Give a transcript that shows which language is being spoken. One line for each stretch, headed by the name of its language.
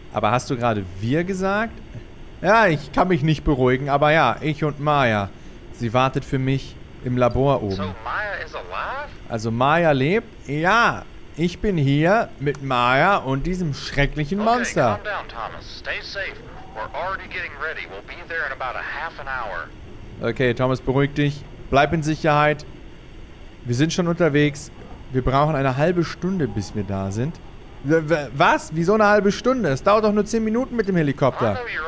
German: Aber hast du gerade wir gesagt? Ja, ich kann mich nicht beruhigen, aber ja, ich und Maya. Sie wartet für mich im Labor oben.
English: So Maya is alive?
German: Also Maya lebt? Ja, ich bin hier mit Maya und diesem schrecklichen Monster.
English: Okay, calm down, Thomas. Stay safe. We're already getting ready. We'll be there in about a half an hour.
German: Okay, Thomas, beruhig dich. Bleib in Sicherheit. Wir sind schon unterwegs. Wir brauchen eine halbe Stunde, bis wir da sind. Was? Wieso eine halbe Stunde? Es dauert doch nur 10 Minuten mit dem Helikopter.